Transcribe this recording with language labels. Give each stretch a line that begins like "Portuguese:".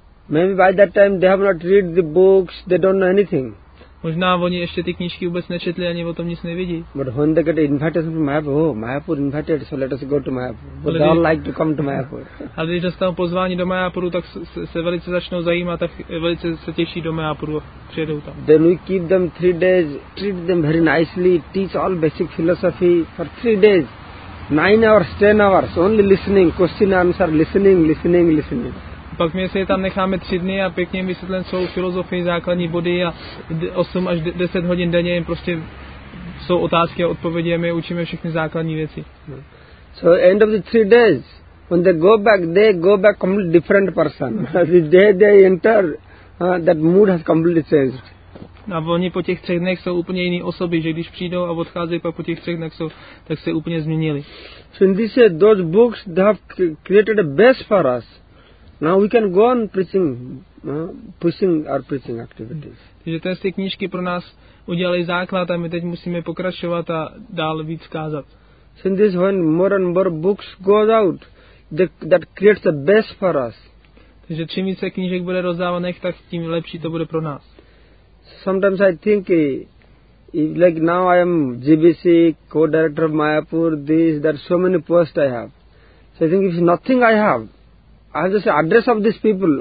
English: Maybe by that time they have not read the books, they don't know anything.
Czech: Možná oni ještě ty knížky vůbec nečetli, ani o tom nic nevidí.
English: But when they get invitation from Mayapur, oh, Mayapur invited, so let us go to Mayapur. But they all like to come to Mayapur.
Czech: Ale když dostanou pozvání do Mayapuru, tak se velice začnou zajímat, tak velice se těší do Mayapuru a přijedou tam.
English: Then we keep them 3 days, treat them very nicely, teach all basic philosophy for 3 days. 9 hours, 10 hours, only listening, question answer, listening.
Czech: Pak my se tam necháme 3 dny a pěkně vysvětlím svou filozofii, základní body a 8 až 10 hodin denně jim prostě jsou otázky a odpovědi a my učíme všechny základní věci.
English: So end of the 3 days, when they go back completely different person. The day they enter, that mood has completely changed.
Czech: A oni po těch 3 dnech jsou úplně jiný osoby, že když přijdou a odcházejí, pak po těch 3 dnech jsou, tak se úplně změnili.
English: So in this year, those books, they have created a base for us. Now we can go on preaching, pushing our preaching activities.
Czech: Takže ty knížky pro nás udělali základ a my teď musíme pokračovat a dál víc kázat.
English: Since this when more and more books go out, that creates a base for us.
Czech: Takže čím více knížek bude rozdávaných, tak tím lepší to bude pro nás.
English: Sometimes I think, like now I am GBC, co-director of Mayapur, this, that, so many posts I have. So I think if nothing I have, I have just address of these people.